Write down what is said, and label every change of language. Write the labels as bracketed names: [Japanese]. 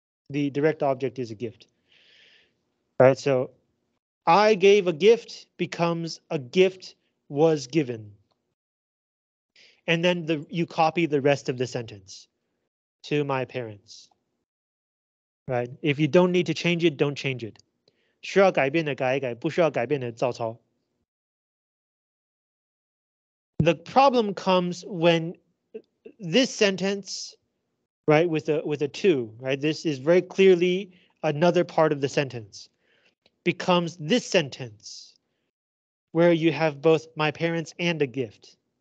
[English] The direct object is a gift. Right, so I gave a gift becomes a gift was given. And then you copy the rest of the sentence to my parents. Right? If you don't need to change it, don't change it. [Chinese] 需要改变的改一改，不需要改变的照抄。 [English] The problem comes when this sentence, right, with a two, right? This is very clearly another part of the sentence. Becomes this sentence where you have both my parents and a gift.